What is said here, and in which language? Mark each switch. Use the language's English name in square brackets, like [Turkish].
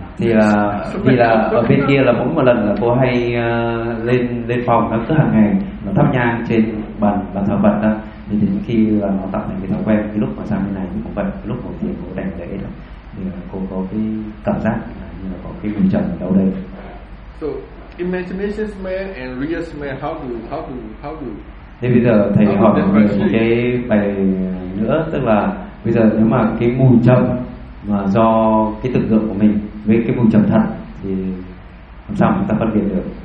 [Vietnamese] Thì là ở bên kia là mỗi một lần là cô hay lên phòng nó cứ hàng ngày nó thắp nhang trên bàn thờ Phật đó, thì đến khi là nó tạo thành cái thói quen, cái lúc mà sang bên này cũng vậy, lúc mà thiền cô đành lễ đó, thì là cô có cái cảm giác như là có cái mùi trần ở đâu đây. [English] So imagination smell and real smell, how do [Vietnamese] Thế bây giờ thầy hỏi một cái bài nữa, tức là bây giờ nếu mà cái mùi trầm mà do cái tưởng tượng của mình với cái mùi trầm thật thì làm sao chúng ta phân biệt được?